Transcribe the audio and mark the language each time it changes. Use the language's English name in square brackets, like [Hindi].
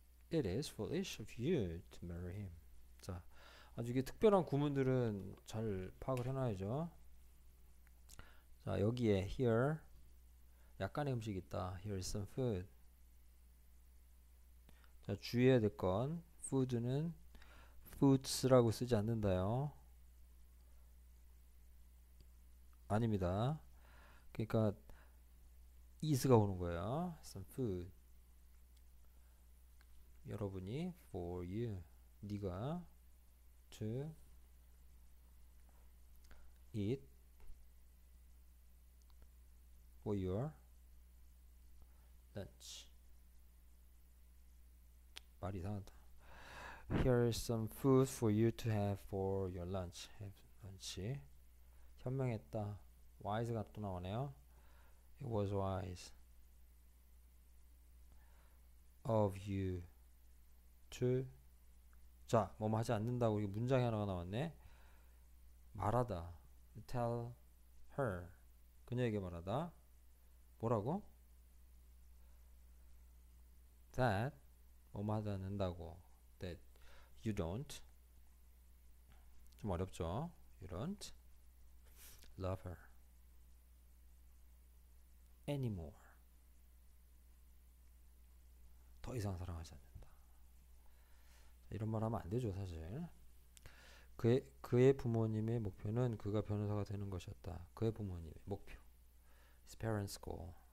[English] It is foolish of you to marry him. [Korean] 자, 아주 이게 특별한 구문들은 잘 파악을 해놔야죠. 자, 여기에 here 약간의 음식이 있다. [English] Here is some food. [Korean] 자, 주의해야 될건 food는 foods라고 쓰지 않는다요. 아닙니다. 그러니까 is가 오는 거예요. [English] Some food. [Korean] 여러분이 [English] for you, [Korean] 네가 [English] to eat for your lunch. [Korean] 말이 이상하다. [English] Here is some food for you to have for your lunch. Have lunch. [Korean] 현명했다. Wise가 또 나오네요. [English] It was wise of you to. [Korean] 자, 뭐뭐 하지 않는다고 이게 문장이 하나가 나왔네. 말하다. [English] Tell her. [Korean] 그녀에게 말하다. 뭐라고? [English] That [Korean] 뭐뭐 하지 않는다고. [English] That you don't. [Korean] 좀 어렵죠? [English] You don't love her anymore. [Korean] 더 이상 사랑하지 않는다. 이런 말 하면 안 되죠, 사실. 그의 부모님의 목표는 그가 변호사가 되는 것이었다. 그의 부모님의 목표. [English] His parents' goal.